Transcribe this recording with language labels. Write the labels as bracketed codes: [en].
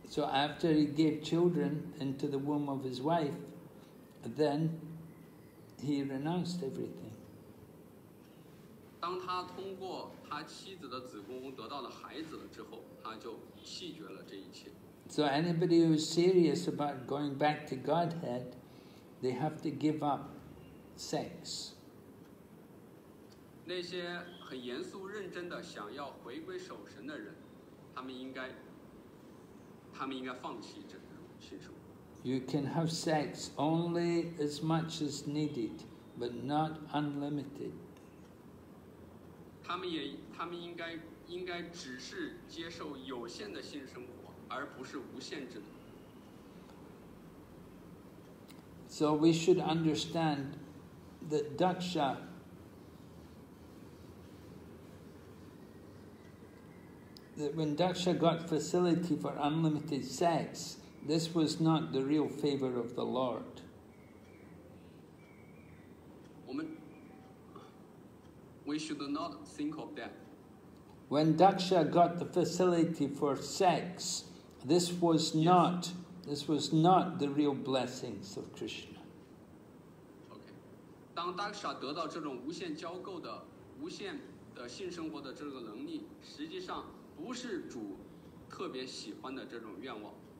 [en] So after he gave children into the womb of his wife, then he renounced everything. [zh] 当他通过他妻子的子宫得到了孩子之后，他就弃绝了这一切。 [en] So anybody who is serious about going back to Godhead, they have to give up sex. [zh] 那些很严肃认真的想要回归守神的人，他们应该放弃这种性生活。 [en] You can have sex only as much as needed, but not unlimited. [zh] 他们应该只是接受有限的性生活。而不是无限制的。 [en] So we should understand that daksha that when daksha got facility for unlimited sex, this was not the real favor of the Lord. [zh] 我们 [en] we should not think of that. When daksha got the facility for sex,This was not the real blessings of Krishna. Okay. [zh] 当 Daksha 得到这种无限交媾的、无限的性生活的这个能力，实际上不是主特别喜欢的这种愿望。